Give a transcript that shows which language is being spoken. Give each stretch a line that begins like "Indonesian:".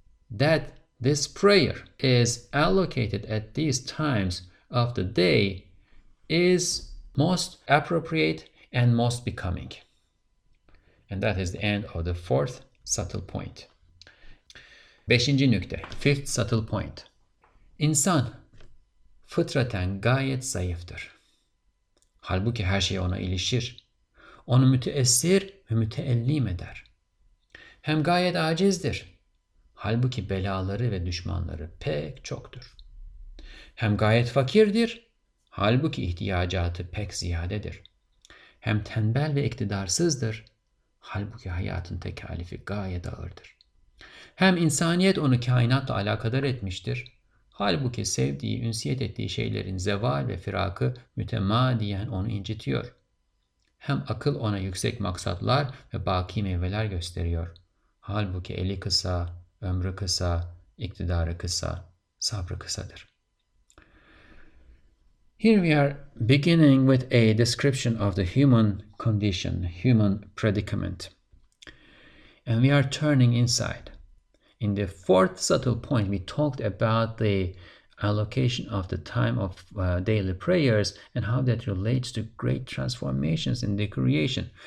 English: That this prayer is allocated at these times of the day is most appropriate and most becoming. And that is the end of the fourth subtle point.
Turkish: Beşinci nükte,
English: fifth subtle point.
Turkish: İnsan fıtraten gayet zayıftır. Halbuki her şey ona ilişir. Onu müteessir ve müteellim eder. Hem gayet acizdir. Halbuki belaları ve düşmanları pek çoktur. Hem gayet fakirdir. Halbuki ihtiyacatı pek ziyadedir. Hem tembel ve iktidarsızdır. Halbuki hayatın tekalifi gayet ağırdır. Hem insaniyet onu kainatla alakadar etmiştir. Halbuki sevdiği, ünsiyet ettiği şeylerin zeval ve firakı mütemadiyen onu incitiyor. Hem akıl ona yüksek maksatlar ve baki meyveler gösteriyor. Halbuki eli kısa, ömrü kısa, iktidarı kısa, sabrı kısadır.
English: Here we are beginning with a description of the human condition, human predicament. And we are turning inside. In the fourth subtle point, we talked about the allocation of the time of daily prayers and how that relates to great transformations in the creation.